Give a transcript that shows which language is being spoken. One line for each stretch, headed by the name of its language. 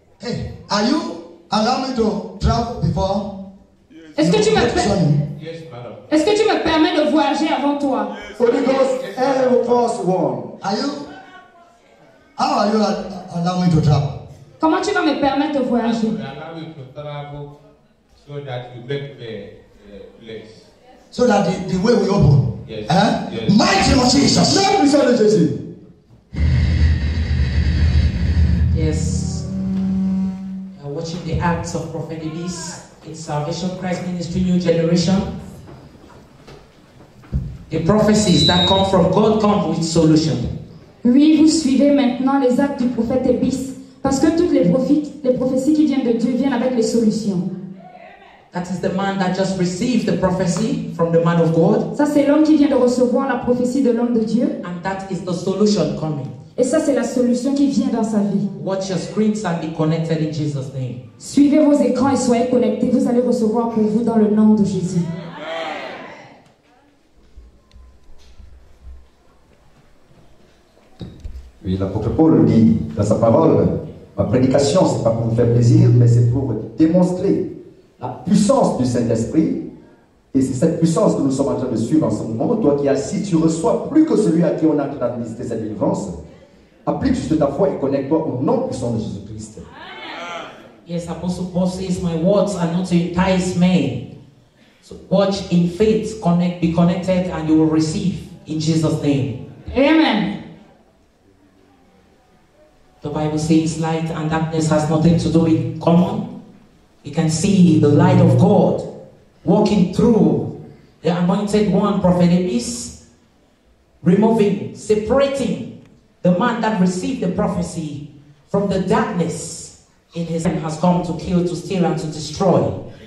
English: Hey, are you allowing me to travel before?
French: Yes. Est-ce que tu me permets?
English: Yes, madam.
French: Est-ce que tu me permets de voyager avant toi?
English: Yes. Holy Ghost, Air Force One. Are you? How are you allowing me to travel?
French: Comment tu vas me permettre de voyager?
English: I allow you to travel so that you make the place. So that the way we open. Yes. Eh? Yes. Mighty Lord Jesus. Let me show you Jesus. Yes. You are watching the acts of Prophet Elise in Salvation Christ Ministry New Generation. The prophecies that come from God come with solution.
French: Oui, vous suivez maintenant les actes du prophète Elise. Parce que toutes les prophéties qui viennent de Dieu viennent avec les solutions.
English: That is the man that just received the prophecy from the man of God.
French: Ça c'est l'homme qui vient de recevoir la prophétie de l'homme de Dieu.
English: And that is the solution coming.
French: Et ça c'est la solution qui vient dans sa vie.
English: Watch your screens and be connected in Jesus' name.
French: Suivez vos écrans et soyez connectés. Vous allez recevoir pour vous dans le nom de Jésus. Oui, l'apôtre Paul dit dans sa parole, ma prédication, ce n'est pas pour vous faire plaisir, mais c'est pour démontrer la puissance du Saint-Esprit. Et c'est cette puissance que nous sommes en train de suivre en ce moment. Toi qui es assis, tu reçois plus que celui à qui on a administré cette délivrance. Applique juste ta foi et connecte-toi au nom puissant de Jésus-Christ.
English: Yes, Apostle Paul says, my words are not to entice men. So watch in faith, connect, be connected, and you will receive in Jesus' name. Amen. The Bible says light and darkness has nothing to do with common. You can see the light of God walking through the anointed one, Prophet Amos, removing, separating the man that received the prophecy from the darkness in his hand has come to kill, to steal, and to destroy.